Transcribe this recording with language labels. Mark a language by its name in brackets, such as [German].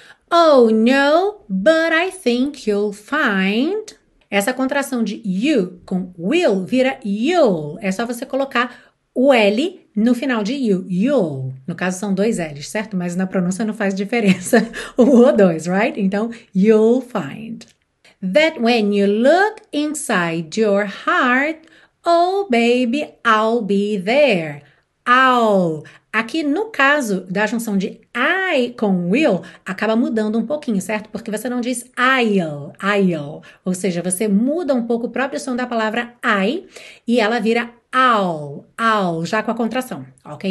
[English] Oh, no, but I think you'll find. [Portuguese] Essa contração de you com will vira you'll. É só você colocar o L no final de you. You'll. No caso, são dois L's, certo? Mas na pronúncia não faz diferença o ou dois, right? Então, you'll find. [English] That when you look inside your heart, oh baby, I'll be there. I'll. [Portuguese] Aqui no caso da junção de I com will, acaba mudando um pouquinho, certo? Porque você não diz I'll, I'll. Ou seja, você muda um pouco o próprio som da palavra I e ela vira I'll, I'll, já com a contração, ok?